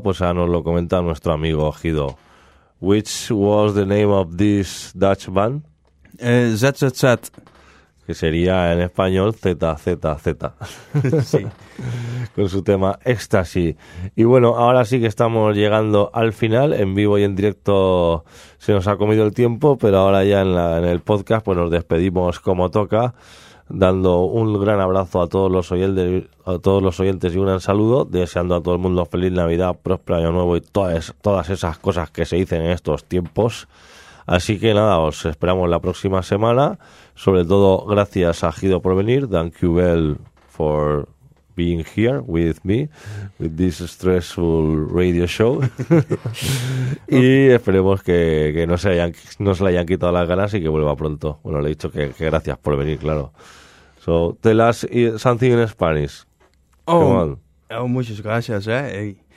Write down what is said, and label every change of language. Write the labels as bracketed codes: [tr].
[es] Pues ahora nos lo comenta nuestro amigo Gido. [en] Which was the name of this Dutch band? ZZZ. [es] que sería en español ZZZ, sí. Con su tema Éxtasy. Y bueno, ahora sí que estamos llegando al final, en vivo y en directo se nos ha comido el tiempo, pero ahora ya en el podcast pues nos despedimos como toca, dando un gran abrazo a todos los oyentes, y un gran saludo, deseando a todo el mundo feliz Navidad, próspero Año Nuevo y todas esas cosas que se dicen en estos tiempos. Así que nada, os esperamos la próxima semana. Sobre todo, gracias a Gido por venir. [en] Thank you, Bell, for being here with me, with this stressful radio show. [es] Y esperemos que no se le hayan quitado las ganas y que vuelva pronto. Bueno, le he dicho que gracias por venir, claro. [en] So, tell us something in Spanish. Oh, come on. Oh, [es] muchas gracias, eh.